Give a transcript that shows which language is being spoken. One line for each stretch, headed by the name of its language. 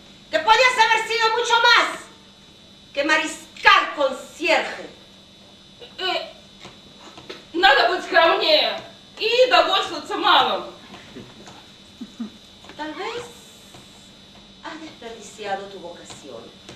Spanish: Que podías haber sido mucho más que mariscal concierge.
Russian: Надо быть скромнее и довольствоваться малым.
Spanish: Tal vez has desperdiciado tu vocación.